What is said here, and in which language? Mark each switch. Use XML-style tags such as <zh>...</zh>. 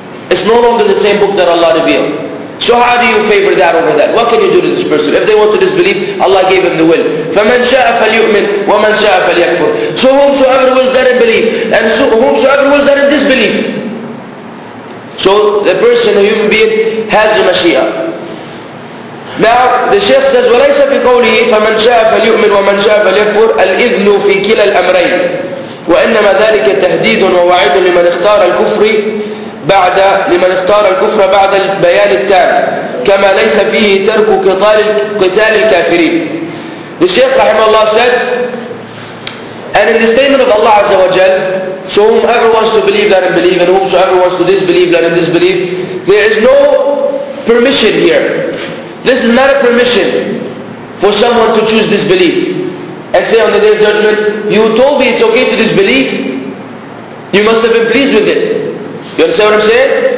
<en>It's no longer the same book that Allah revealed. So how do you favor that over that? What can you do to this person? If they want to disbelieve, Allah gave him the will.</en> <ar>فَمَنْ شَاءَ فَلْيُؤْمِنْ وَمَنْ شَاءَ فَلْيَكْفُرْ.</ar> <en>So whomsoever wills that in belief, and whomsoever wills that in disbelief. So the person, a human being, has a mashia. Now the Shaykh says,</en> <ar>وَلَيْسَ فِي قَوْلِهِ فَمَنْ شَاءَ فَلْيُؤْمِنْ وَمَنْ شَاءَ فَلْيَكْفُرْ الْإِذْنُ فِي كِلَا الْأَمْرَيْنِ وَإِنَّمَا ذَلِكَ تَهْدِيدٌ وَوَعِيدٌ لِمَنْ اخْتَارَ الْكُفْرِ بعد لمن اختار الكفر بعد البيان التام كما ليس فيه ترك قتال الكافرين.</ar> <en>The Shaykh</en> <ar>رحمه الله</ar> <en>said, and in the statement of Allah Azza wa Jal, so whomever wants to believe, let him believe, and whomsoever wants to disbelieve, let him disbelieve. There is no permission here. This is not a permission for someone to choose disbelief and say on the day of judgment, you told me it's okay to disbelieve, you must have been pleased with it. You understand what I'm saying?</en>